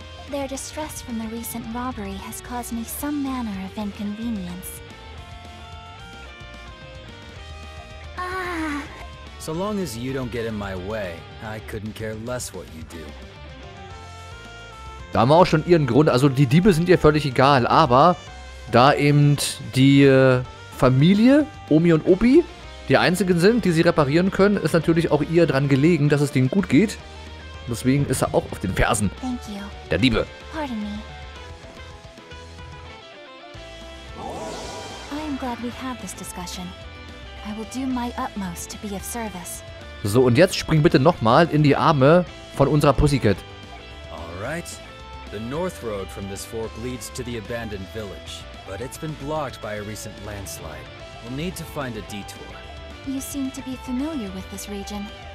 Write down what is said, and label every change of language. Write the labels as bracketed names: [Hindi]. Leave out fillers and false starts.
[English] Their distress from the recent robbery has caused me some manner of inconvenience. Ah. So long as you don't get in my way, I couldn't care less what you do. [German] Da haben wir auch schon ihren Grund. Also die Diebe sind ihr völlig egal, aber da eben die Familie, Omi und Opi, die einzigen sind, die sie reparieren können, ist natürlich auch ihr dran gelegen, dass es denen gut geht. Deswegen ist er auch auf den Fersen. [English] Thank you. [German] Der Diebe. [English] Pardon me. I am glad we have this discussion. I will do my utmost to be of service. [German] So, und jetzt spring bitte nochmal in die Arme von unserer Pussycat. [English] Alright. The north road from this fork leads to the abandoned village, but it's been blocked by a recent landslide. We'll need to find a detour. You seem to be familiar with this region.